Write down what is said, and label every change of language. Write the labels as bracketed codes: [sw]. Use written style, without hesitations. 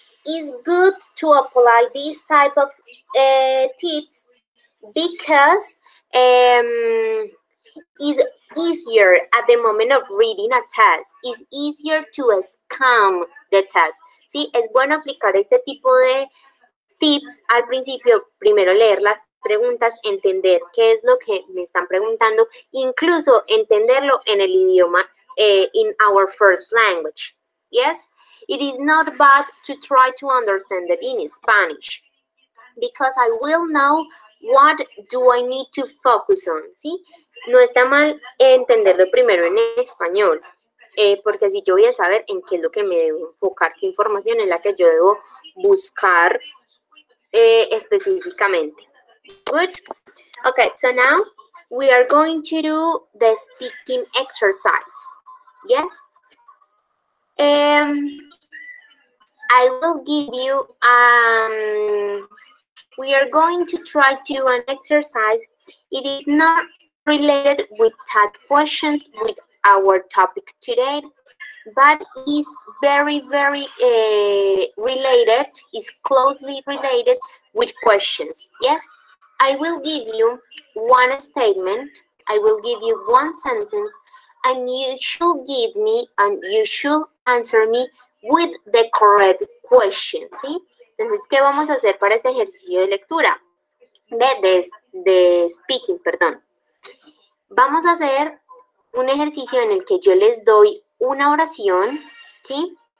[en] It's good to apply these type of tips because it's easier at the moment of reading a test. It's easier to scan the test. ¿Sí? [es] Es bueno aplicar este tipo de tips al principio. Primero leer las preguntas, entender qué es lo que me están preguntando, incluso entenderlo en el idioma, [en] in our first language. Yes, it is not bad to try to understand it in Spanish because I will know what do I need to focus on. [es] ¿Sí? No está mal entenderlo primero en español, porque así yo voy a saber en qué es lo que me debo enfocar, qué información es la que yo debo buscar específicamente. [en] Good. Okay, so now we are going to do the speaking exercise. Yes? I will give you, we are going to try to do an exercise. It is not related with tag questions with our topic today, but is very, very related, is closely related with questions. Yes? I will give you one statement. I will give you one sentence, and you should give me, and you should answer me with the correct question, ¿sí? [es] Entonces, ¿qué vamos a hacer para este ejercicio de lectura? De speaking, perdón. Vamos a hacer un ejercicio en el que yo les doy una oración, ¿sí?